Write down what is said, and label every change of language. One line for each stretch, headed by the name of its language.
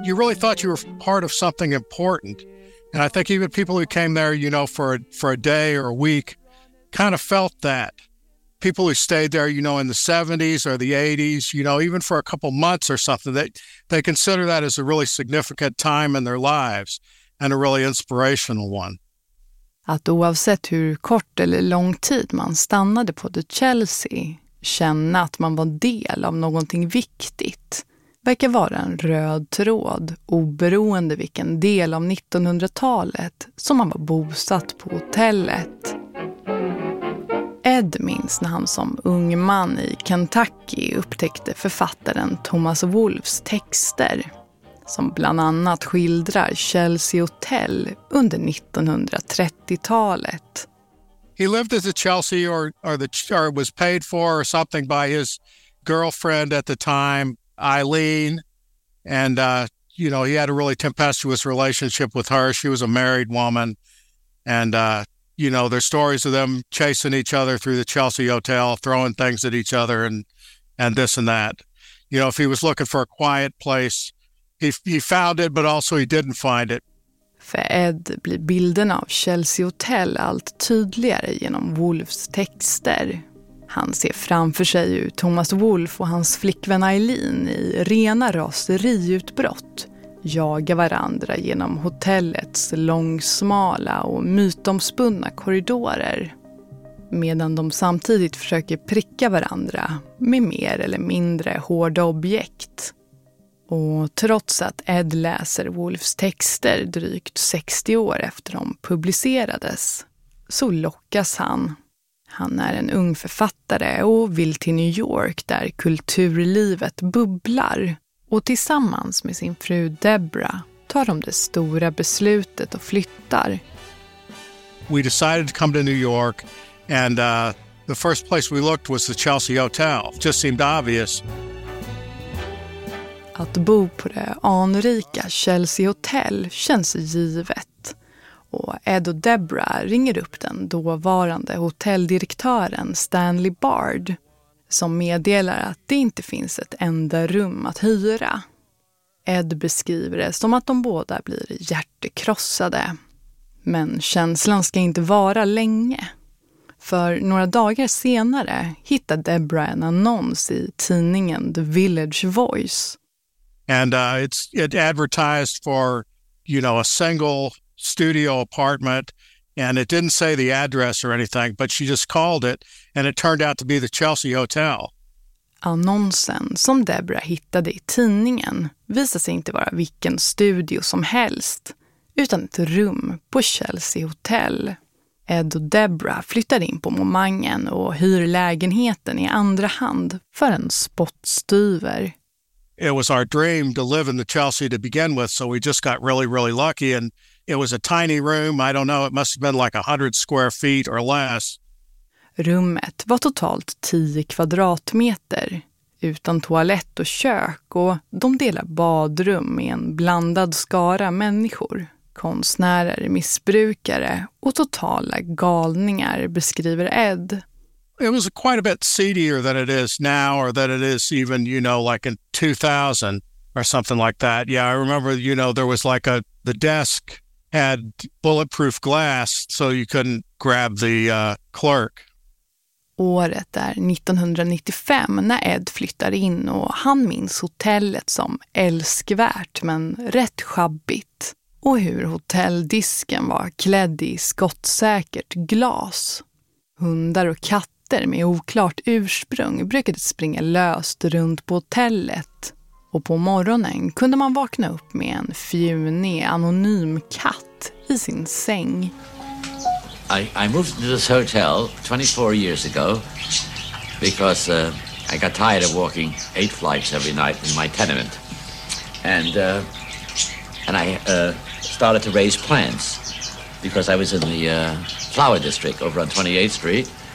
English: You really thought you were part of something important. And I think even people who came there, you know, for a day or a week kind of felt that. People who stayed there, you know, in the 70s or the 80s, you know, even for a couple months or something, they consider that as a really significant time in their lives and a really inspirational one.
Swedish: Att oavsett hur kort eller lång tid man stannade på The Chelsea, känna att man var del av någonting viktigt, verkar vara en röd tråd, oberoende vilken del av 1900-talet som man var bosatt på hotellet. Ed minns när han som ung man i Kentucky upptäckte författaren Thomas Wolfes texter, som bland annat skildrar Chelsea Hotel under 1930-talet.
English: He lived at the Chelsea or was paid for or something by his girlfriend at the time, Eileen, and you know, he had a really tempestuous relationship with her. She was a married woman, and you know, there's stories of them chasing each other through the Chelsea Hotel, throwing things at each other and this and that. You know, if he was looking for a quiet place, he found it, but also he didn't find it.
Swedish: För Ed blir bilden av Chelsea Hotel allt tydligare genom Wolfs texter. Han ser framför sig ju Thomas Wolfe och hans flickvän Eileen i rena raseriutbrott jaga varandra genom hotellets långsmala och mytomspunna korridorer, medan de samtidigt försöker pricka varandra med mer eller mindre hårda objekt. Och trots att Ed läser Wolfs texter drygt 60 år efter de publicerades, så lockas han. Han är en ung författare och vill till New York där kulturlivet bubblar. Och tillsammans med sin fru Deborah tar de det stora beslutet och flyttar.
English: We decided to come to New York, and the first place we looked was the Chelsea Hotel. It just seemed obvious.
Swedish: Att bo på det anrika Chelsea Hotel känns givet. Och Ed och Deborah ringer upp den dåvarande hotelldirektören Stanley Bard, som meddelar att det inte finns ett enda rum att hyra. Ed beskriver det som att de båda blir hjärtekrossade. Men känslan ska inte vara länge. För några dagar senare hittar Deborah en annons i tidningen The Village Voice.
English: And it advertised for, you know, a single studio apartment. And it didn't say the address or anything, but she just called it and it turned out to be the Chelsea Hotel.
Swedish: Annonsen som Deborah hittade i tidningen visade sig inte vara vilken studio som helst, utan ett rum på Chelsea Hotel. Ed och Deborah flyttade in på momangen och hyr lägenheten i andra hand för en spottstyver.
English: it was our dream to live in the Chelsea to begin with. So we just got really, really lucky. And it was a tiny room. I don't know. It must have been like 100 square feet or less.
Swedish: Rummet var totalt 10 kvadratmeter utan toalett och kök, och de delar badrum med en blandad skara människor. Konstnärer, missbrukare och totala galningar, beskriver Ed.
English: It was quite a bit seedier than it is now, or than it is even, you know, like in 2000 or something like that. Yeah, I remember, you know, there was like the desk had bulletproof glass so you couldn't grab the clerk.
Swedish: Året är 1995 när Ed flyttar in, och han minns hotellet som älskvärt men rätt schabbigt. Och hur hotelldisken var klädd i skottsäkert glas. Hundar och katter med oklart ursprung brukade springa löst runt på hotellet. Och på morgonen kunde man vakna upp med en fjunig anonym katt i sin säng.
English: I moved to this hotel 24 years ago because I got tired of walking 8 flights every night in my tenement. And I started to raise plants because I was in the flower district over on 28th Street.